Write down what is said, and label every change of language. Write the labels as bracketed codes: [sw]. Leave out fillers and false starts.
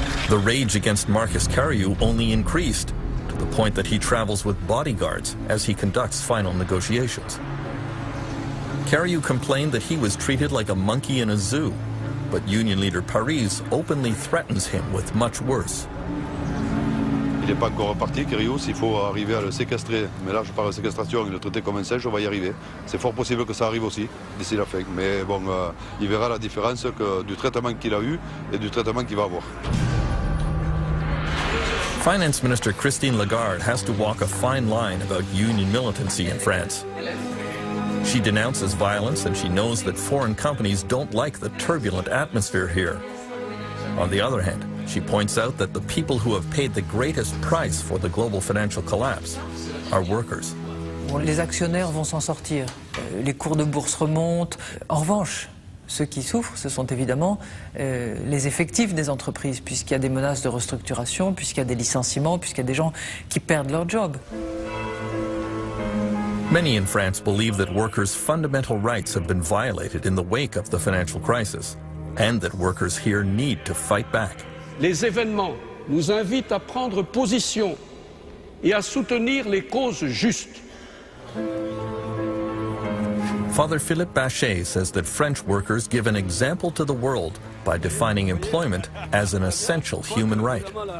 [en] The rage against Marcus Carriou only increased, to the point that he travels with bodyguards as he conducts final negotiations. Carriou complained that he was treated like a monkey in a zoo, but union leader Paris openly threatens him with much worse. [fr] Il n'est pas encore reparti, Carriou, s'il faut arriver à le séquestrer. Mais là, je parle de séquestration, il le traitait comme un singe, on va y arriver. C'est fort possible que ça arrive aussi, d'ici la fin. Mais bon, il verra la différence que, du traitement qu'il a eu et du traitement qu'il va avoir. [en] Finance Minister Christine Lagarde has to walk a fine line about union militancy in France. She denounces violence and she knows that foreign companies don't like the turbulent atmosphere here. On the other hand, she points out that the people who have paid the greatest price for the global financial collapse are workers. [fr] Les actionnaires vont s'en sortir. Les cours de bourse remontent. En revanche, ceux qui souffrent, ce sont évidemment les effectifs des entreprises, puisqu'il y a des menaces de restructuration, puisqu'il y a des licenciements, puisqu'il y a des gens qui perdent leur job. [en] Many in France believe that workers' fundamental rights have been violated in the wake of the financial crisis, and that workers here need to fight back. [fr] Les événements nous invitent à prendre position et à soutenir les causes justes. [en] Father Philippe Bachet says that French workers give an example to the world by defining employment as an essential human right.